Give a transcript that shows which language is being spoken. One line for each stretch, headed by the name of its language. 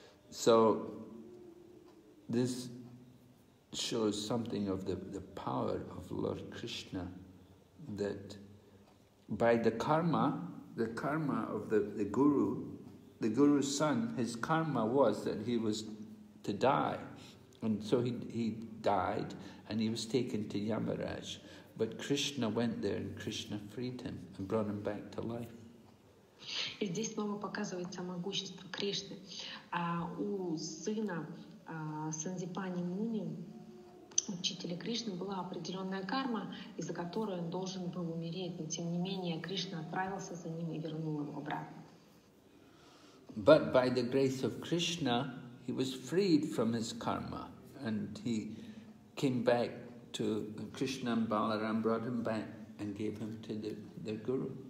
English: So this shows something of the power of Lord Krishna, that by the karma of the guru's son, his karma was that he was to die, and so he died and he was taken to Yamaraj, but Krishna went there and Krishna freed him and brought him back to life.
Russian: И здесь снова показывается могущество Кришны. У сына Сандипани Муни, учителя Кришны, была определенная карма, из-за которой он должен был умереть, но тем не менее Кришна отправился за ним и вернул его обратно.
English: But by the grace of Krishna, he was freed from his karma, and he came back to Krishna and Balaram, brought him back and gave him to the guru.